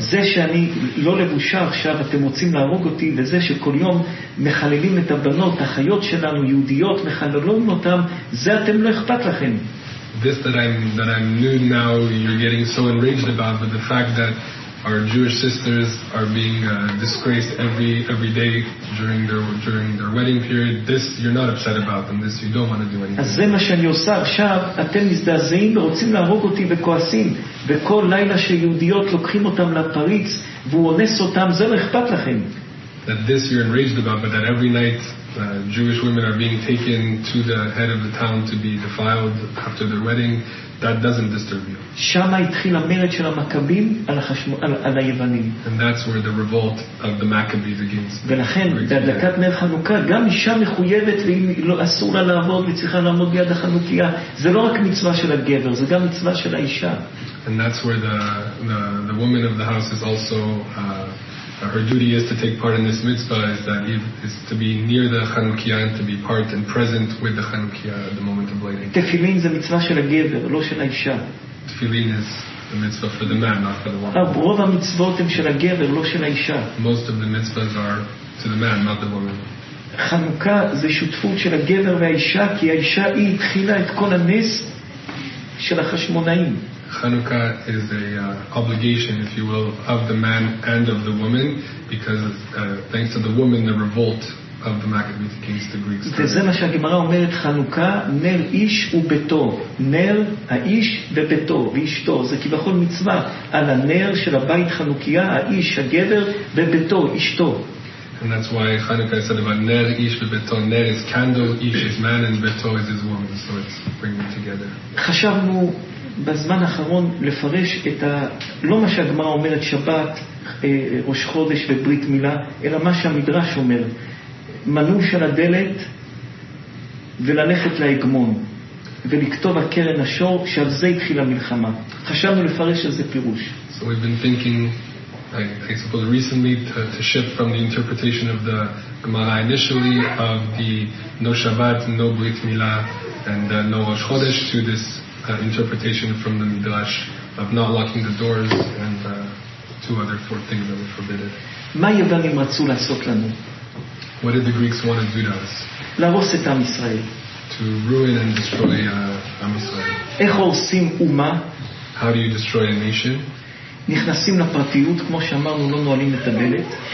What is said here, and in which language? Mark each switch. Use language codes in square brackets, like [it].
[he] זה שאני לא לבושה עכשיו, אתם רוצים להרוג אותי, וזה שכל יום מחללים את הבנות, החיות שלנו, יהודיות, מחללים אותם, זה אתם לא אכפת לכם. [en] This that I'm nude now, you're getting so enraged about, but the fact that our Jewish sisters are being disgraced every day during their wedding period, this you're not upset about, and this you don't want to do anything. [he] אז זה מה שאני עושה עכשיו, אתם מזדעזעים ורוצים להרוג אותי וכועסים, וכל לילה שיהודיות לוקחים אותם לפריץ והוא אונס אותם, זה לא אכפת לכם. [en] That this you're enraged about, but that every night Jewish women are being taken to the head of the town to be defiled after their wedding, that doesn't disturb you. [he] שמה התחיל המרד של המכבים על על היוונים. [en] And that's where the revolt of the Maccabees against. [he] ולכן בהדלקת נר חנוכה גם אישה מחויבת, ואם לא אסור לה לעמוד, היא צריכה לעמוד ביד החנוכיה. זה לא רק מצווה של הגבר, זה גם מצווה של האישה. [en] And that's where the woman of the house is also her duty is to take part in this mitzvah, is that it's to be near the Chanukiah and to be part and present with the Chanukiah at the moment of lighting. [he] Tefillin זה מצווה של הגבר, לא של האישה. [en] Tefillin is the mitzvah for the man, not for the woman. [he] רוב המצוות הם של הגבר, לא של האישה. [en] Most of the mitzvahs are to the man, not the woman. [he] חנוכה זה שותפות של הגבר והאישה, כי האישה היא התחילה את כל הנס של החשמונאים. [en] Chanukah is a obligation, if you will, of the man and of the woman, because thanks to the woman, the revolt of the Maccabees against the Greeks. [he] וזה מה שהגמרא אומרת, חנוכה, נר איש וביתו, נר האיש וביתו ואשתו. זה כביכול מצווה על הנר של הבית חנוכיה, האיש, הגבר, וביתו, אשתו. [en] And that's why Chanukah said about [he] ner ish v'beto. [en] Ner is candle, ish is man, and beto is his woman. So it's bringing together. [he] חשבנו בזמן האחרון לפרש את לא מה שהגמרא אומרת שבת, ראש חודש וברית מילה, אלא מה שהמדרש אומר, מנוש על הדלת וללכת להגמון ולכתוב הקרן השור, שעל זה התחילה מלחמה. חשבנו לפרש על זה פירוש. [en] So we've been thinking, I suppose recently, to shift from the interpretation of the Gemara initially of the no Shabbat, no Brit Milah, and no Rosh Chodesh to this interpretation from the Midrash of not locking the doors and two other four things that were forbidden. [he] מה היוונים רצו לעשות לנו? [en] What did the Greeks want to do to us? [he] להרוס את עם ישראל. [en] To ruin and destroy [he] עם ישראל. איך הורסים אומה? [en] How do you destroy a nation? [he] נכנסים לפרטיות, כמו שאמרנו, לא נועלים את הדלת.